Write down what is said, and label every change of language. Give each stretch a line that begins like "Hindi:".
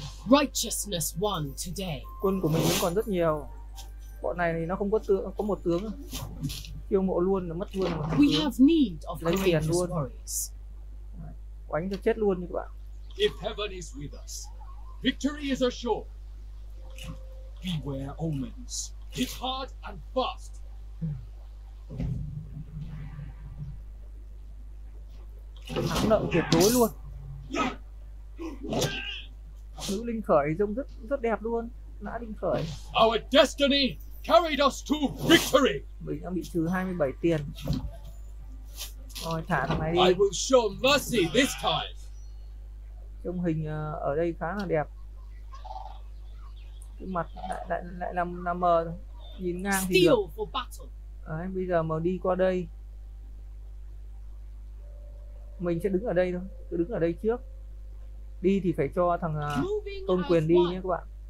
English: Righteousness won today.
Vietnamese: Quân của mình vẫn còn rất nhiều. Bọn này thì nó không có tướng, có một tướng. Chiêu mộ luôn là mất luôn.
English: We have need of
Vietnamese: lấy tiền luôn. Quánh cho chết luôn các bạn.
English: If heaven is with us, victory is assured. Beware omens. Hit hard and fast.
Vietnamese: Thắng lợi tuyệt đối luôn. Nữ linh khởi trông rất đẹp luôn. Nã linh khởi.
English: Our destiny carried us to victory.
Vietnamese: Mình đang bị trừ 27 tiền. Rồi thả thằng này đi.
English: I will show mercy this time.
Vietnamese: Trông hình ở đây khá là đẹp. Cái mặt lại là mờ. Nhìn ngang thì được. Đấy, bây giờ mà đi qua đây. Mình sẽ đứng ở đây thôi, cứ đứng ở đây trước. Đi thì phải cho thằng Tôn Quyền đi nhé các bạn.